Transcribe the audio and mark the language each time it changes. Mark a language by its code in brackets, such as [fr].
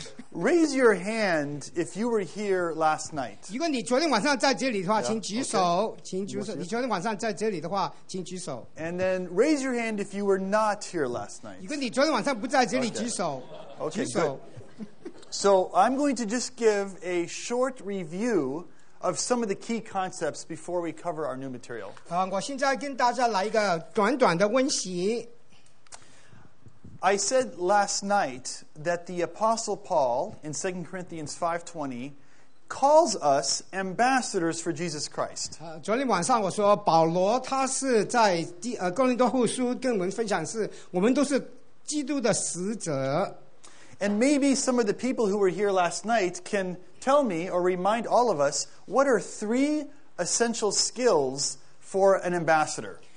[en] Raise your hand if you were here last night. [zh] 如果你昨天晚上在这里的话，请举手，请举手。你昨天晚上在这里的话，请举手。 [en] And then raise your hand if you were not here last night. [zh] 如果你昨天晚上不在这里，举手，举手。 [en] So I'm going to just give a short review of some of the key concepts before we cover our new material. [zh] 我现在跟大家来一个短短的温习。 [en] I said last night that the Apostle Paul in 2 Corinthians 5:20 calls us ambassadors for Jesus Christ. [zh] 昨天晚上我说保罗他是在哥林多后书跟我们分享是我们都是基督的使者。 [en] And maybe some of the people who were here last night can tell me or remind all of us what are three essential skills for an ambassador.